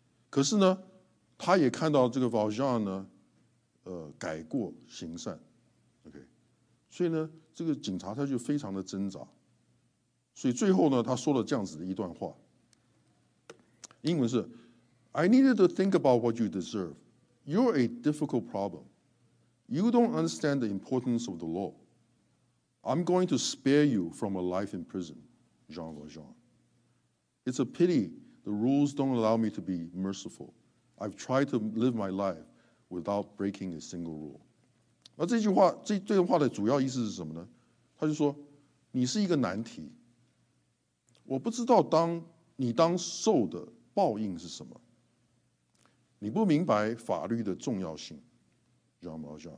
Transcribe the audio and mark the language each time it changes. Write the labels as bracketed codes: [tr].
[zh] 可是呢，他也看到这个 Valjean 呢。改过行善 ，OK， 所以呢，这个警察他就非常的挣扎，所以最后呢，他说了这样子的一段话，英文是 ： [en] “I needed to think about what you deserve. You're a difficult problem. You don't understand the importance of the law. I'm going to spare you from a life in prison, Jean Valjean. It's a pity the rules don't allow me to be merciful. I've tried to live my life.” Without breaking a single rule， [zh] 那这句话这段话的主要意思是什么呢？他就说，你是一个难题，我不知道你当受的报应是什么，你不明白法律的重要性，知道吗？